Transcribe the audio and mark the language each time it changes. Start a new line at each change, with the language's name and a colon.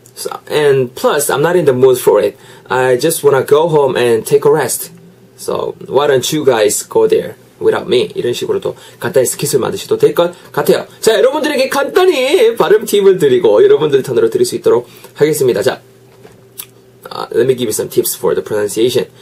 English: So, and plus, I'm not in the mood for it. I just wanna go home and take a rest. So, why don't you guys go there without me?
Korean: 이런 식으로 또 간단히 스킬을 만드셔도 될 것 같아요. 자, 여러분들에게 간단히 발음 팁을 드리고 여러분들 단어로 드릴 수 있도록 하겠습니다.
English: 자, let me give you some tips for the pronunciation.